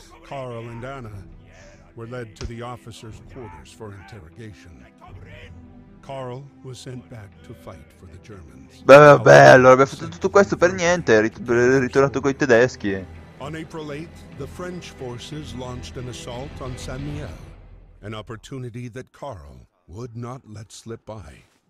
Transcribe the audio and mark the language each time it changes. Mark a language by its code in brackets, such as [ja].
[en] Carl and Anna were led to the officers' quarters for interrogation. Carl was sent back to fight for the Germans. [it] Beh, vabbè, allora abbiamo fatto tutto questo per niente, ritornato con i tedeschi. [en] On April 8th, the French forces launched an assault on Saint-Mihiel, an opportunity that Carl would not let slip by.